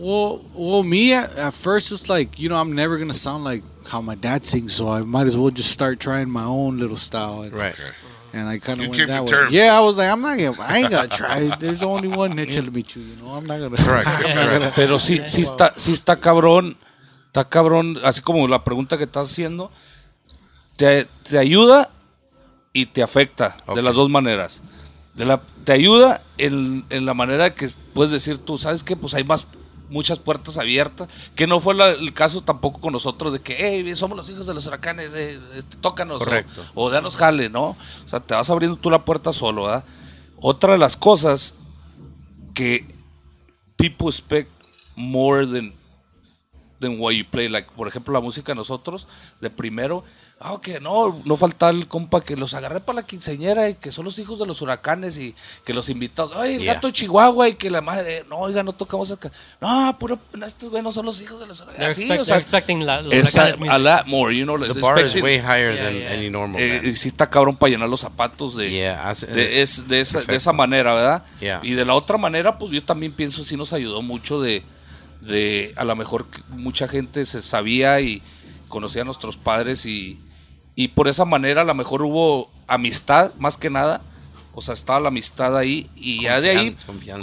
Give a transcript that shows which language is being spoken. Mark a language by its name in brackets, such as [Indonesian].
[English] Well me at first it's like, you know, I'm never gonna sound like how my dad sings, so I might as well just start trying my own little style. And, right. And I kind of went that way. Terms. Yeah, I was like, I ain't gonna try. There's only one niche to meet you, you know. I'm not gonna. Correct. [Spanish] Pero si está cabrón. Está cabrón, así como la pregunta que estás haciendo, te ayuda y te afecta, okay, de las dos maneras. Te ayuda en la manera que puedes decir tú, ¿sabes qué? Pues hay muchas puertas abiertas, que no fue el caso tampoco con nosotros de que, hey, somos los hijos de los huracanes, tócanos. Correcto. O danos jale, ¿no? O sea, te vas abriendo tú la puerta solo, ¿verdad? Otra de las cosas que [English] people expect more than what you play, [Spanish] like, por ejemplo, la música nosotros, de primero, okay, no falta el compa que los agarré para la quinceañera y que son los hijos de los huracanes y que los invitados, ay, el gato de Chihuahua y que la madre, no, oiga, no tocamos acá, no, puro, estos güey no son los hijos de los huracanes. [English] They're expecting los huracanes. A lot more, you know. The bar is way higher than any normal man. [Spanish] Y si está cabrón para llenar los zapatos de esa manera, ¿verdad? Yeah. Y de la otra manera, pues yo también pienso, sí nos ayudó mucho de a lo mejor mucha gente se sabía y conocía a nuestros padres y por esa manera a lo mejor hubo amistad más que nada, o sea, estaba la amistad ahí y confianza, ya de ahí